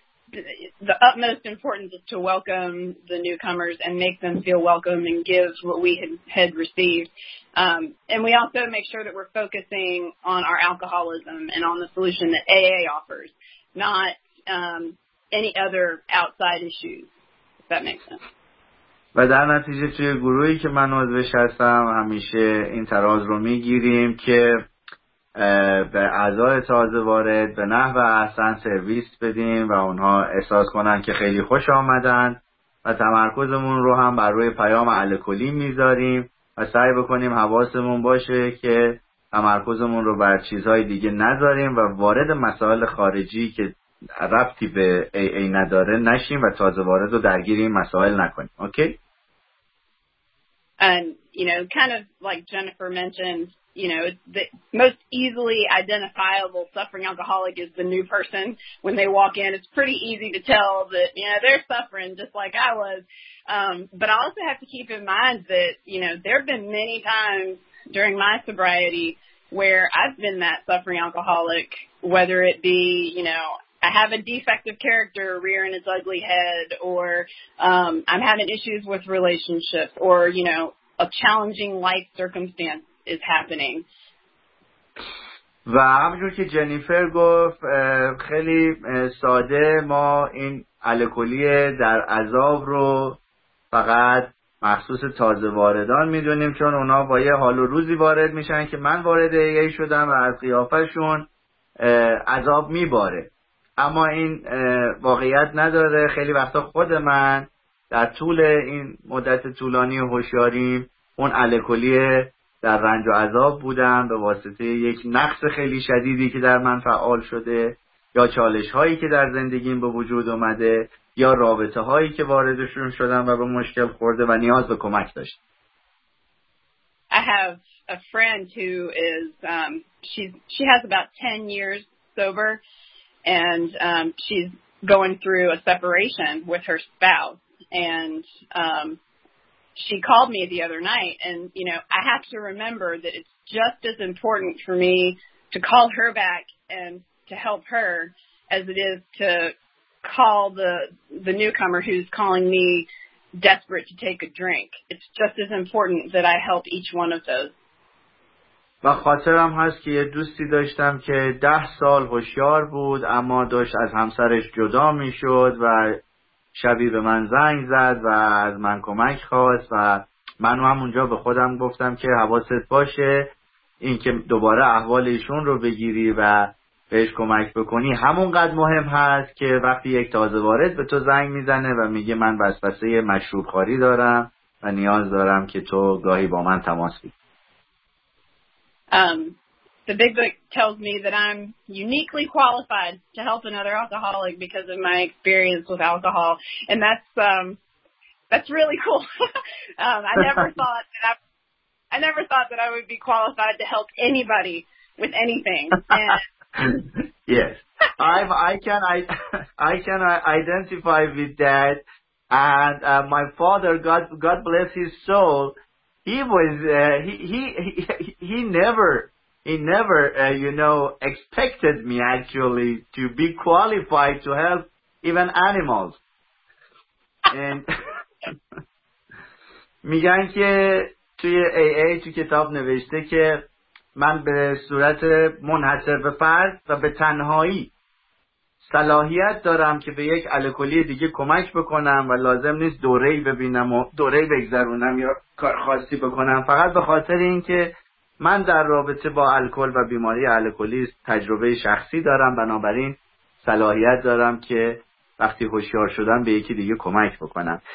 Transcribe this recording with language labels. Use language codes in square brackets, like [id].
[en] The utmost importance is to welcome the newcomers and make them feel welcome and give what we had received. And we also make sure that we're focusing on our alcoholism and on the solution that AA offers, not any other outside issues, if that makes sense. [fa] و در نتیجه توی گروهی که من عضوش هستم همیشه این تراز رو میگیریم که به اعضای تازه وارد به نحو احسن سرویس بدیم و اونها احساس کنن که خیلی خوش آمدن و تمرکزمون رو هم بر روی پیام الکلی میذاریم و سعی بکنیم حواسمون باشه که تمرکزمون رو بر چیزهای دیگه نذاریم و وارد مسائل خارجی که ربطی به AA نداره نشیم و تازه وارد رو درگیر این مسائل نکنیم. [en] Okay. And you know, kind of like Jennifer mentioned, you know, the most easily identifiable suffering alcoholic is the new person. When they walk in, it's pretty easy to tell that, you know, they're suffering just like I was. But I also have to keep in mind that, you know, there have been many times during my sobriety where I've been that suffering alcoholic, whether it be, you know, I have a defective character rearing its ugly head, or I'm having issues with relationships, or, you know, a challenging life circumstance is happening. [fa] و همونجور که جنیفر گفت خیلی ساده ما این الکلی در عذاب رو فقط مخصوص تازه واردان میدونیم، چون اونا با یه حال و روزی وارد میشن که من وارد ای شدم و از قیافشون عذاب میباره. اما این واقعیت نداره. خیلی وقتا خود من در طول این مدت طولانی هوشیاریم اون الکلی در رنج و عذاب بودم به واسطه یک نقص خیلی شدیدی که در من فعال شده، یا چالش هایی که در زندگیم به وجود اومده، یا رابطه هایی که واردشون شدم و به مشکل خورده و نیاز به کمک داشت. [en] I have a friend who is she has about 10 years sober and she's going through a separation with her spouse and she called me the other night and you know I have to remember that it's just as important for me to call her back and to help her as it is to call the newcomer who's calling me desperate to take a drink. It's just as important that I help each one of those. [fa] و خاطرم هست که یه دوستی داشتم که 10 سال هوشیار بود اما داشت از همسرش جدا می شد و شبی به من زنگ زد و از من کمک خواست و منو هم اونجا به خودم گفتم که حواست باشه این که دوباره احوال ایشون رو بگیری و بهش کمک بکنی همونقدر مهم هست که وقتی یک تازه وارد به تو زنگ میزنه و میگه من وسوسه مشروب خواری دارم و نیاز دارم که تو گاهی با من تماس بگیری. [en] The big book tells me that I'm uniquely qualified to help another alcoholic because of my experience with alcohol and that's really cool. I never thought that I would be qualified to help anybody with anything. And yes, I can identify with that, and my father, God bless his soul, he never expected me actually to be qualified to help even animals. And [fa] میگن که توی AA تو کتاب نوشته که من به صورت منحصر به فرد و به تنهایی صلاحیت دارم که به یک الکلی دیگه کمک بکنم و لازم نیست دوره‌ای ببینم و دوره‌ای بگذرونم یا کار خاصی بکنم، فقط به خاطر اینکه من در رابطه با الکل و بیماری الکلی تجربه شخصی دارم، بنابراین صلاحیت دارم که وقتی هوشیار شدم به یکی دیگه کمک بکنم.